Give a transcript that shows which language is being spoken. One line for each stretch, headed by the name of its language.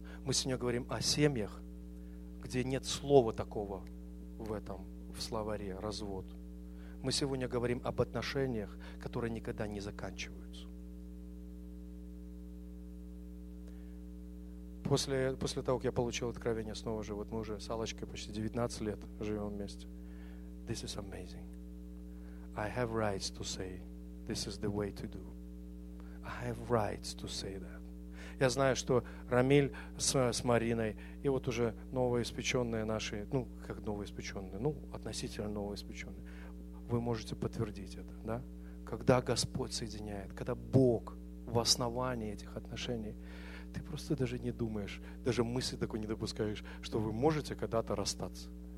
Russian: Мы сегодня говорим о семьях, где нет слова такого в этом, в словаре «развод». Мы сегодня говорим об отношениях, которые никогда не заканчиваются. После того, как я получил откровение снова же, вот мы уже с Аллочкой почти 19 лет живем вместе.
English: This is amazing. I have rights to say this is the way to do. I have rights to say that.
Russian: Я знаю, что Рамиль с Мариной и вот уже новоиспеченные наши, ну, как новоиспеченные, ну, относительно новоиспеченные, вы можете подтвердить это, да? Когда Господь соединяет, когда Бог в основании этих отношений, ты просто даже не думаешь, даже мысли такой не допускаешь, что вы можете когда-то расстаться.